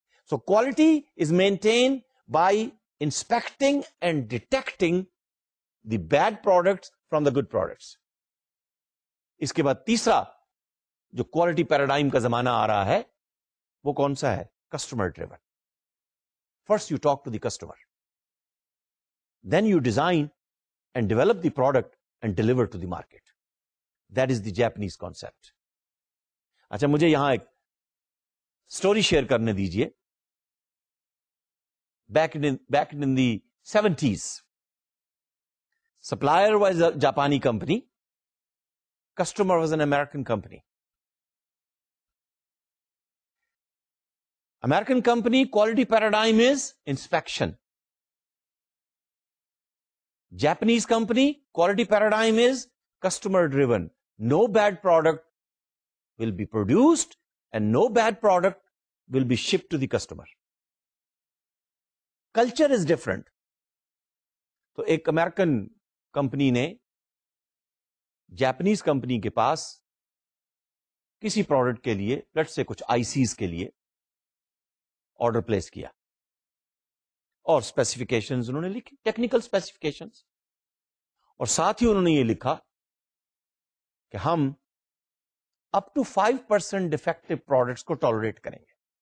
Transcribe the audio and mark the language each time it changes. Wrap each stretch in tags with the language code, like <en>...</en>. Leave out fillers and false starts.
<en>So quality is maintain by inspecting and detecting the bad products from the good products.</en> <ur>اس کے بعد تیسرا جو quality paradigm کا زمانہ آ رہا ہے, وہ کون سا ہے؟ Customer driven.</ur> <en>First you talk to the customer, then you design and develop the product and deliver to the market. That is the Japanese concept.</en> <ur>اچھا مجھے یہاں ایک اسٹوری شیئر کرنے دیجیے.</ur> <en>Back in the 70s, supplier was a Japanese company, customer was an American company. American company quality paradigm is inspection. Japanese company quality paradigm is customer driven. No bad product will be produced and no bad product will be shipped to the customer. Culture is different.</en> <ur>تو ایک American company نے Japanese company کے پاس کسی product کے لیے let's say کچھ آئی Cs کے لیے آرڈر پلیس کیا اور اسپیسیفکیشنز انہوں نے لکھی, ٹیکنیکل اسپیسیفکیشنز, اور ساتھ ہی انہوں نے یہ لکھا کہ ہم اپ ٹو 5% ڈیفیکٹو پروڈکٹس کو ٹالریٹ کریں گے.</ur>